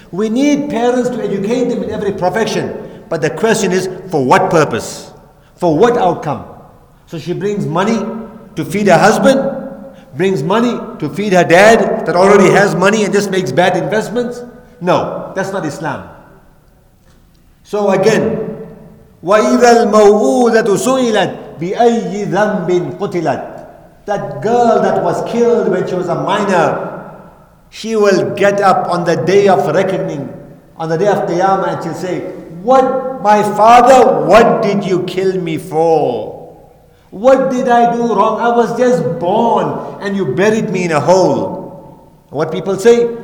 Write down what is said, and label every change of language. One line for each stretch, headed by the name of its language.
English: We need parents to educate them in every profession. But the question is, for what purpose? For what outcome? So she brings money to feed her husband, brings money to feed her dad that already has money and just makes bad investments? No, that's not Islam. So again,
Arabic: وَإِذَا الْمَوْءُوذَةُ سُئِلَتْ بِأَيِّ ذَنْبٍ قُتِلَتْ.
English: That girl that was killed when she was a minor, she will get up on the day of reckoning, on the day of Qiyamah, and she'll say, what, my father, what did you kill me for? What did I do wrong? I was just born and you buried me in a hole. What people say?